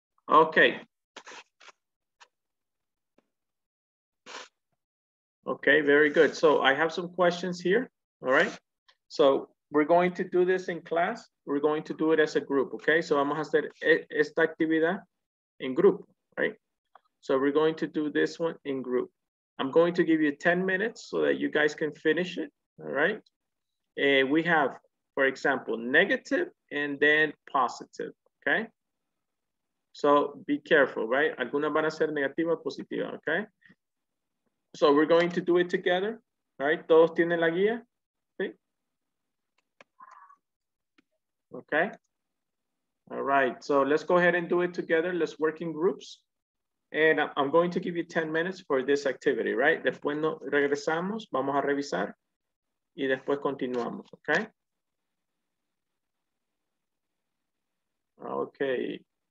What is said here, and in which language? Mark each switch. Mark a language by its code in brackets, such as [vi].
[en] Okay. Okay, very good. So I have some questions here. All right. So we're going to do this in class. We're going to do it as a group. Okay. [es] So vamos a hacer esta actividad en grupo, right? [en] So we're going to do this one in group. I'm going to give you 10 minutes so that you guys can finish it. All right. We have, for example, negative and then positive. Okay. So be careful, right? [es] Algunas van a ser negativa, positiva. Okay. [en] So we're going to do it together. All right. [es] Todos tienen la guía. [en] Okay. Okay. All right. So let's go ahead and do it together. Let's work in groups. And I'm going to give you 10 minutes for this activity, right? [es] Después nos regresamos, vamos a revisar y después continuamos, okay? [en] Okay.